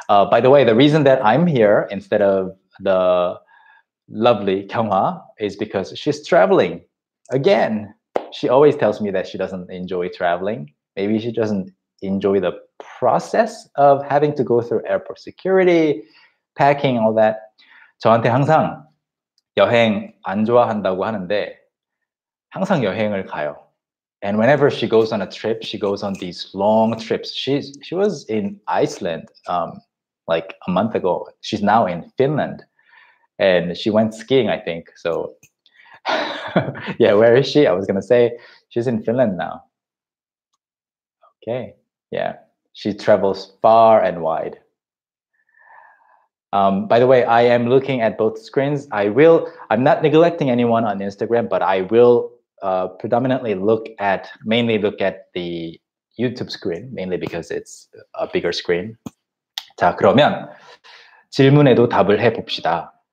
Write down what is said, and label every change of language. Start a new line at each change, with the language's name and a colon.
English: By the way, the reason that I'm here instead of the lovely 경화 is because she's traveling again. She always tells me that she doesn't enjoy traveling. Maybe she doesn't enjoy the process of having to go through airport security, packing, all that.
Korean: 저한테 항상 여행 안 좋아한다고 하는데 항상 여행을 가요.
English: And whenever she goes on a trip, she goes on these long trips. She was in Iceland like a month ago. She's now in Finland. And she went skiing, I think. So yeah, where is she? I was going to say she's in Finland now. Okay, yeah, she travels far and wide. By the way, I am looking at both screens. I'm not neglecting anyone on Instagram, but I will mainly look at the YouTube screen, mainly because it's a bigger screen.
Korean: 자, 그러면 질문에도 답을 해봅시다.